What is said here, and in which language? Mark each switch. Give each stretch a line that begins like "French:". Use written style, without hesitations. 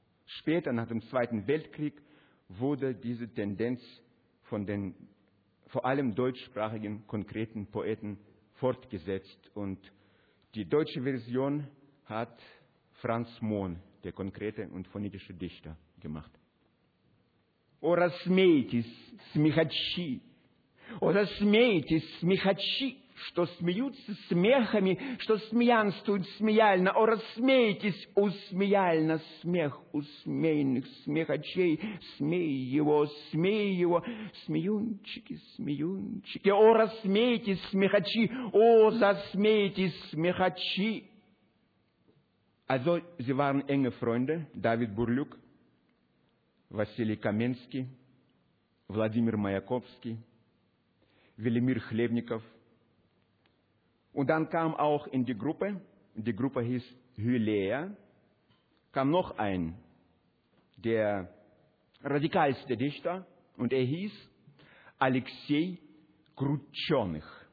German: Später, nach dem Zweiten Weltkrieg, wurde diese Tendenz von den vor allem deutschsprachigen konkreten Poeten fortgesetzt, und die deutsche Version hat Franz Mohn, der konkrete und phonetische Dichter, gemacht.
Russian: O rasmeitis smichachi, o rasmeitis smichachi, что смеются смехами, что смеянствуют смеяльно, о рассмейтесь усмеяльно смех усмейных смехачей, смей его, смеюнчики, смеюнчики, о рассмейтесь смехачи, о засмейтесь смехачи.
German: Also, sie waren enge Freunde, David Burlyuk, Василий Каменский, Владимир Маяковский, Велимир Хлебников. Und dann kam auch in die Gruppe die Gruppe hieß Hylea, kam noch ein, der radikalste Dichter, und er hieß Alexei Krutschonych.